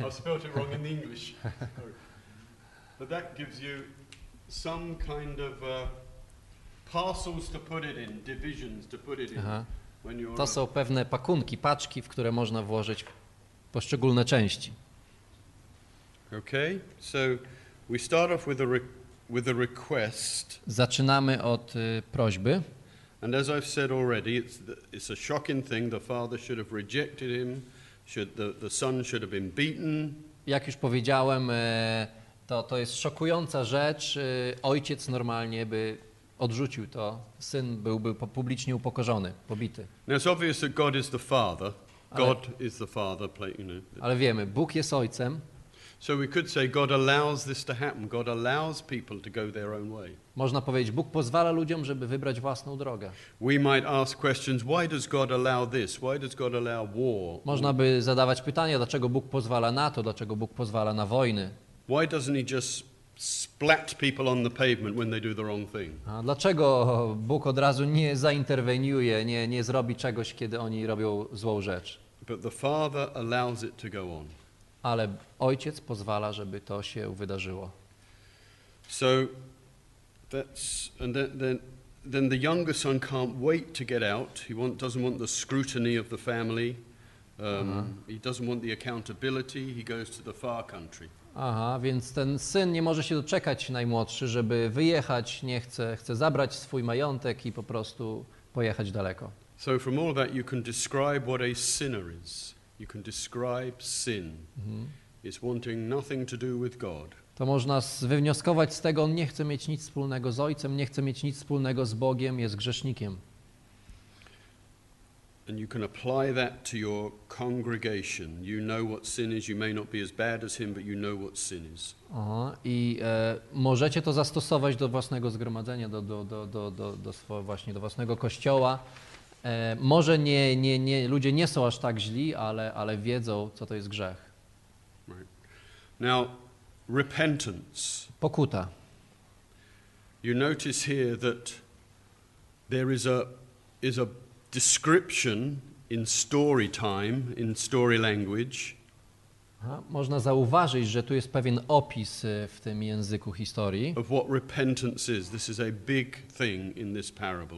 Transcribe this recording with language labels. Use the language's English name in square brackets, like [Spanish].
[English] I spelled it wrong in the English. But that gives you some kind of parcels to put it in, divisions to put it in. Aha. When you're [Polish] to są pewne pakunki, paczki, w które można włożyć poszczególne części. [English] Okay, so we start off with a request. [Polish] Zaczynamy od prośby. [English] And as I've said already, it's a shocking thing. The father should have rejected him. The son should have been beaten. [Polish] Jak już powiedziałem, to jest szokująca rzecz. Ojciec normalnie by odrzucił to. Syn byłby publicznie upokorzony, pobity. [English] Now it's obvious that God is the father. God is the father. [Polish] Ale wiemy, Bóg jest ojcem. [English] So we could say God allows this to happen. God allows people to go their own way. [Polish] Można powiedzieć, Bóg pozwala ludziom, żeby wybrać własną drogę. [English] We might ask questions, why does God allow this? Why does God allow war? [Polish] Można by zadawać pytania, dlaczego Bóg pozwala na to, dlaczego Bóg pozwala na wojny? [English] Why doesn't he just splat people on the pavement when they do the wrong thing? [Polish] A dlaczego Bóg od razu nie zainterweniuje, nie zrobi czegoś, kiedy oni robią złą rzecz? [English] But the Father allows it to go on. [Polish] Ale ojciec pozwala, żeby to się wydarzyło. [English] So that's and then the younger son can't wait to get out. Doesn't want the scrutiny of the family. He doesn't want the accountability. He goes to the far country. [Polish] Aha, więc ten syn nie może się doczekać, najmłodszy, żeby wyjechać. Nie chce, chce zabrać swój majątek i po prostu pojechać daleko. [English] So from all that you can describe what a sinner is. You can describe sin. It's wanting nothing to do with God. [Polish] To można wywnioskować z tego, on nie chce mieć nic wspólnego z ojcem, nie chce mieć nic wspólnego z Bogiem, jest grzesznikiem. [English] And you can apply that to your congregation. You know what sin is. You may not be as bad as him, but you know what sin is. Aha. [Polish] I możecie to zastosować do własnego zgromadzenia, do własnego kościoła. Może nie, ludzie nie są aż tak źli, ale wiedzą, co to jest grzech. [English] Right. Now, repentance. [Polish] Pokuta. [English] You notice here that there is a description in story time, in story language. [Polish] Aha, można zauważyć, że tu jest pewien opis w tym języku historii. [English] Of what repentance is. This is a big thing in this parable.